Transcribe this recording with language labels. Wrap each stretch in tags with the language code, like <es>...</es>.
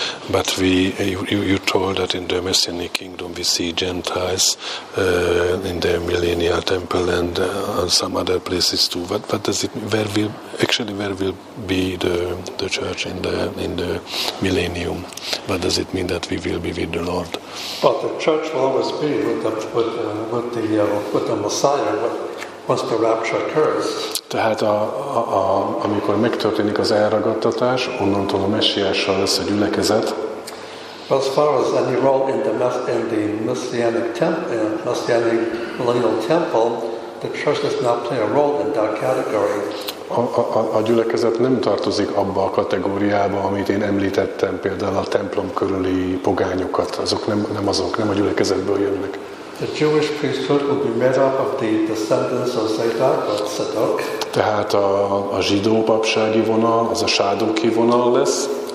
<en>But we, you told that in the Messianic Kingdom we see Gentiles in the Millennial Temple and some other places too. What does it? Where will actually where will be the church in the Millennium? What does it mean that we will be with the Lord? Well, the church will always be with the Messiah. Once the rapture occurs.</en> <hu>Tehát amikor megtörténik az elragadtatás, onnantól a messiással lesz a gyülekezet.</hu> <en>Well, as far as any role in the Messianic temple, Messianic millennial temple, the church does not play a role in that category.</en> <hu>A gyülekezet nem tartozik abba a kategóriába, amit én említettem, például a templom körüli pogányokat. Azok nem a gyülekezetből jönnek.</hu> <en>The Jewish priesthood will be made up of the descendants of Zadok or Tzadok.</en> <hu>Tehát a zsidó papsági vonal, az a sádoki vonal lesz.</hu>